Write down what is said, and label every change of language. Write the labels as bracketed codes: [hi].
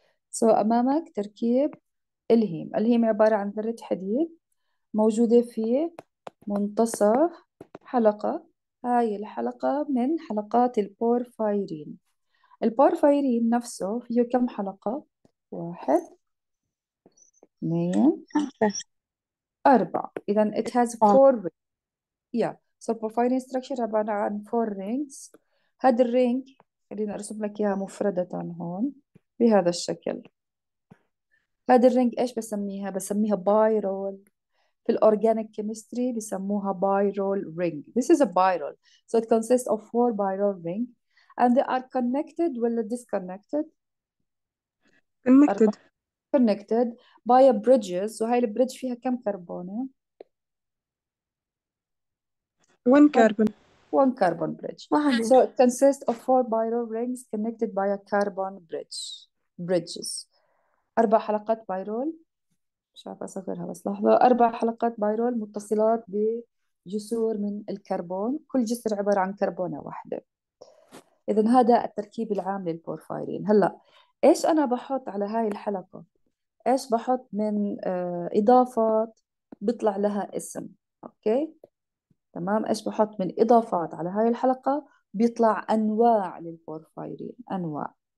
[ar] سو أمامك تركيب الهيم. الهيم عبارة عن ذرة حديد موجودة في منتصف حلقة، هاي الحلقة من حلقات البورفايرين. البورفايرين نفسه فيه كم حلقة؟ واحد، اثنين، أربعة. [en] إذا it has four rings. Yeah. So porphyrin structure [ar] عبارة عن [en] four rings. [ar] هذا الرينج اللي نرسم لك إياها مفردة هون بهذا الشكل. هذا الرينج إيش بسميها؟ بسميها بايرول. في الأورجانيك كيمستري بيسموها بايرول رينج. [en] This is a biral. So it consists of four biral ring. And they are connected [ar] ولا [en] disconnected؟ connected أربعة connected by a bridges. [ar] وهاي البريدج فيها كم كربونة؟ [en] one carbon one carbon bridge. [ar] واحد. [en] So it consists of four biral rings connected by a carbon bridges. [ar] أربع حلقات بايرول، مش عارفة أصغرها بس لحظة، أربع حلقات بايرول متصلات بالكربون جسور من الكربون، كل جسر عبارة عن كربونة واحدة. إذا هذا التركيب العام للبورفايرين. هلأ إيش أنا بحط على هاي الحلقة؟ إيش بحط من إضافات بيطلع لها اسم؟ أوكي؟ تمام؟ إيش بحط من إضافات على هاي الحلقة بيطلع أنواع للبورفايرين، أنواع.